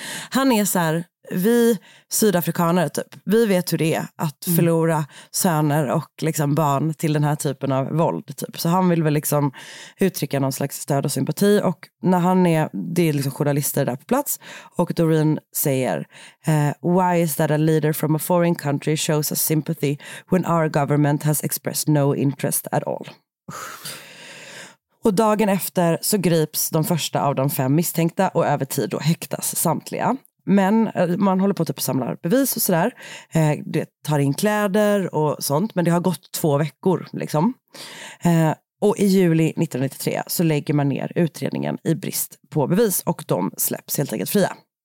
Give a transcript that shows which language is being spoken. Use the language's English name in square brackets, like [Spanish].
[Swedish] Han är så här, vi sydafrikaner typ, vi vet hur det är att förlora söner och liksom barn till den här typen av våld typ. Så han vill väl liksom uttrycka någon slags stöd och sympati. Och när han är, det är liksom journalister där på plats. Och Doreen säger, [English] why is that a leader from a foreign country shows us sympathy when our government has expressed no interest at all? [Swedish] Och dagen efter så grips de första av de fem misstänkta och över tid då häktas samtliga. Men man håller på att typ samla bevis och sådär. Det tar in kläder och sånt, men det har gått 2 veckor liksom. Och i juli 1993 så lägger man ner utredningen i brist på bevis och de släpps helt enkelt fria.